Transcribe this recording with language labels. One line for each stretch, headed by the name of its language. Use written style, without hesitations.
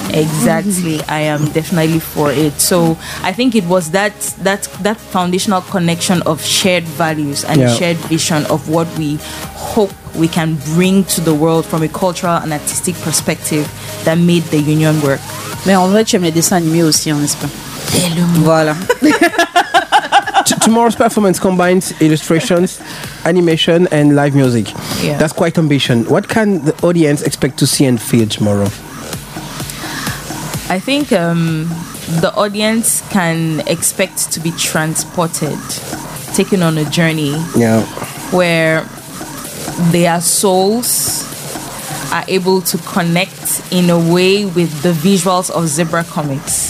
English: Exactly. I am definitely for it. So I think it was that foundational connection of shared values and shared vision of what we hope we can bring to the world from a cultural and artistic perspective that made the union work.
French: Mais en vrai, tu aimes les dessins animés aussi, hein, n'est-ce pas? Tellement. Voilà.
English: Tomorrow's performance combines illustrations, animation, and live music. Yeah. That's quite ambition. What can the audience expect to see and feel tomorrow? I think the audience can expect to be transported, taken on a journey where their souls are able to connect in a way with the visuals of Zebra Comics.